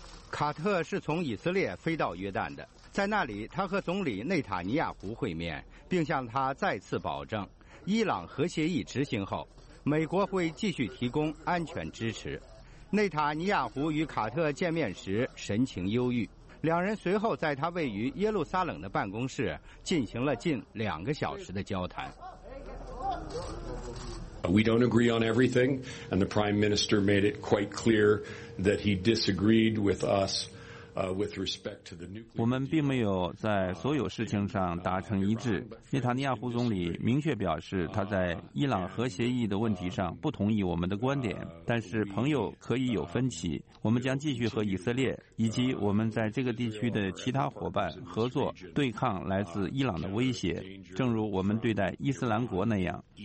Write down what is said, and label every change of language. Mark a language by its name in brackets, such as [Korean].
[Chinese] 卡特是从以色列飞到约旦的，在那里他和总理内塔尼亚胡会面，并向他再次保证伊朗核协议执行后美国会继续提供安全支持。内塔尼亚胡与卡特见面时神情忧郁，两人随后在他位于耶路撒冷的办公室进行了近2个小时的交谈。 [English] We don't agree on everything, and the Prime Minister made it quite clear that he disagreed with us [Chinese] 我们并没有在所有事情上达成一致。内塔尼亚胡总理明确表示，他在伊朗核协议的问题上不同意我们的观点，但是朋友可以有分歧。我们将继续和以色列以及我们在这个地区的其他伙伴合作，对抗来自伊朗的威胁，正如我们对待伊斯兰国那样。